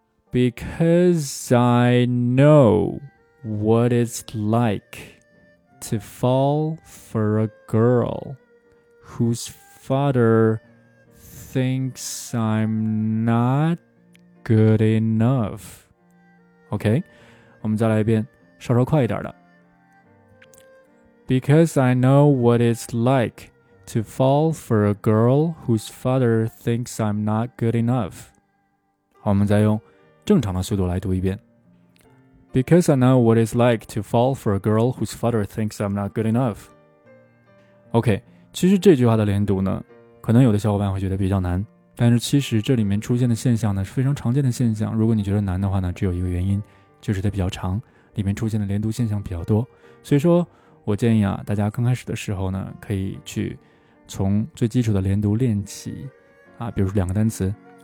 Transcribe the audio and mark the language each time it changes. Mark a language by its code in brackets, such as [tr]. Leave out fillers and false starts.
[en] Because I know what it's like to fall for a girl whose father thinks I'm not good enough. [zh] OK, 我们再来一遍稍稍快一点的。 [en] Because I know what it's like to fall for a girl whose father thinks I'm not good enough. [zh] 好我们再用正常的速度来读一遍。 [en] Because I know what it's like to fall for a girl whose father thinks I'm not good enough. [zh] OK, 其实这句话的连读呢可能有的小伙伴会觉得比较难。但是其实这里面出现的现象呢是非常常见的现象如果你觉得难的话呢只有一个原因就是它比较长里面出现的连读现象比较多所以说我建议啊大家刚开始的时候呢可以去从最基础的连读练起啊比如说两个单词